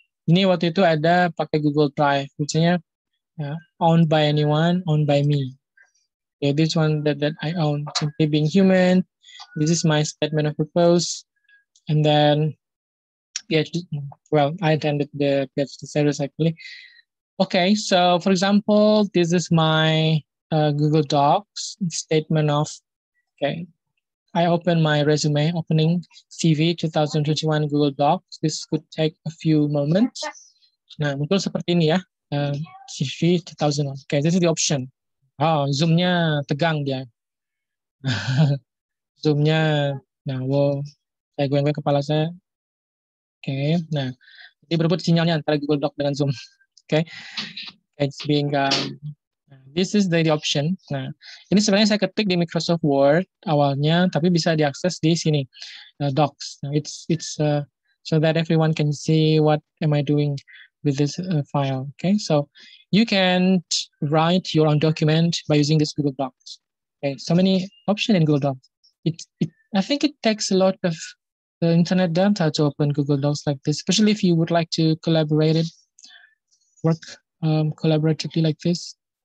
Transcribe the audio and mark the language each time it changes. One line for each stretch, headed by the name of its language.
Indonesian: Ini waktu itu ada pakai Google Drive.
English: Misalnya, owned by anyone, owned by me. Okay, this one that I own, simply being human. This is my statement of purpose. And then, PhD, well, I attended the PhD series actually. Okay, so for example, this is my Google Docs statement of, okay. I open my resume, opening CV 2021 Google Docs. This could take a few moments.
Indonesian: Nah, mungkin seperti ini ya, CV 2021.
English: Okay, this is the option.
Indonesian: Oh, zoom-nya tegang dia. Zoom-nya, nah, wow. Saya goyang-goyang kepala saya. Oke, okay, nah. Jadi berebut sinyalnya antara Google Doc dengan Zoom. Oke. Okay.
English: It's being, this is the option.
Indonesian: Nah, ini sebenarnya saya ketik di Microsoft Word awalnya, tapi bisa diakses di sini, Docs.
English: Now it's so that everyone can see what am I doing with this file. Okay, so you can write your own document by using this Google Docs. Okay, so many options in Google Docs. It I think it takes a lot of the internet data to open Google Docs like this, especially if you would like to collaborate it, work collaboratively like this.